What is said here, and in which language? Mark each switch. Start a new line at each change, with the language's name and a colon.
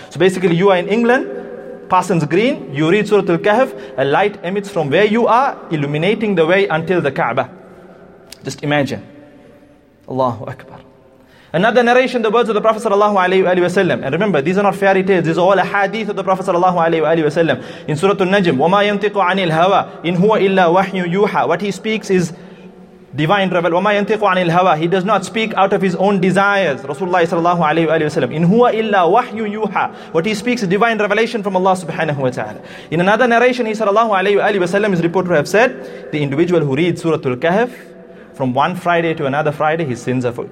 English: So basically, you are in England, Parsons Green, you read Surah Al-Kahf, a light emits from where you are, illuminating the way until the Kaaba. Just imagine. Allahu Akbar. Another narration, the words of the Prophet sallallahu alayhi wa sallam. And remember, these are not fairy tales. These are all a hadith of the Prophet sallallahu alayhi wa sallam. In Surah
Arabic: Al-Najm, وَمَا يَنْتِقُ عَنِ الْهَوَىٰ إِنْ هُوَ إِلَّا وَحْيُّ يُوحَىٰ.
English: What he speaks is divine revelation.
Arabic: وَمَا يَنْتِقُ عَنِ الْهَوَىٰ.
English: He does not speak out of his own desires.
Arabic: Rasulullah sallallahu alayhi wa sallam. إِنْ هُوَ إِلَّا وَحْيُّ يُوحَىٰ.
English: What he speaks is divine revelation from Allah subhanahu wa ta'ala. In another narration, he sallallahu alayhi wa sallam is reported to have said, the individual who reads Surah Al-Kahf, from one Friday to another Friday, his sins are...